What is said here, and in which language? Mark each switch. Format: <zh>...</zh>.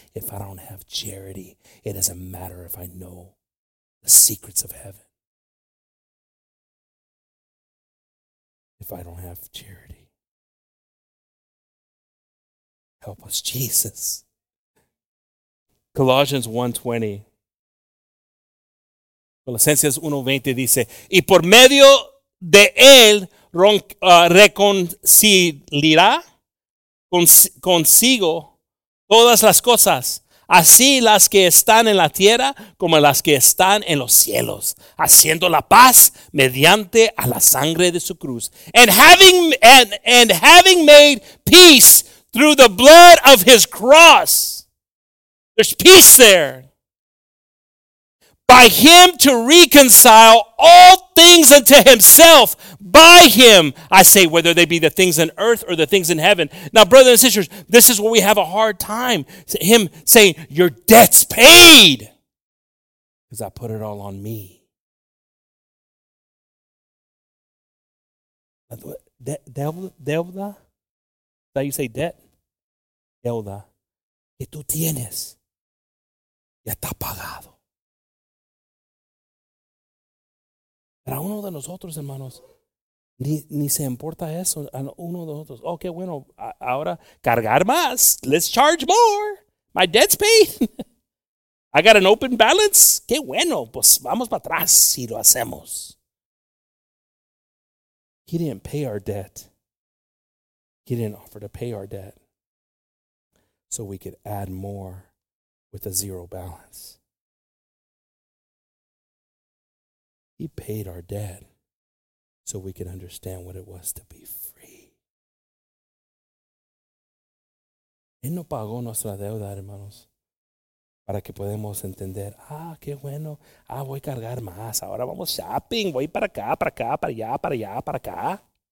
<en>If I don't have charity, it doesn't matter if I know the secrets of heaven. If I don't have charity, help us, Jesus. Colossians 1:20.</en> <es>Colosenses 1:20 dice, y por medio de él reconciliará consigo todas las cosas, así las que están en la tierra como las que están en los cielos, haciendo la paz mediante a la sangre de su cruz.</es> <en>And having made peace through the blood of his cross. There's peace there. By him to reconcile all things unto himself, by him, I say, whether they be the things in earth or the things in heaven. Now, brothers and sisters, this is where we have a hard time. Him saying, your debt's paid. Because I put it all on me.</en> <es>Deuda?</es> <en>Is that how you say debt?</en> <es>Deuda. Que tú tienes. Ya está pagado. Para uno de nosotros, hermanos, ni se importa eso. A uno de nosotros, okay, bueno, ahora cargar más.</es> <en>Let's charge more. My debt's paid. I got an open balance.</en> <es>Qué bueno, pues vamos para atrás si lo hacemos.</es> <en>He didn't pay our debt. He didn't offer to pay our debt so we could add more with a zero balance. He paid our debt so we could understand what it was to be free.</en> <es>Él no pagó nuestra deuda, hermanos, para que podamos entender, ah, qué bueno, ah, voy a cargar más, ahora vamos shopping, voy para acá, para allá, para allá, para acá.</es>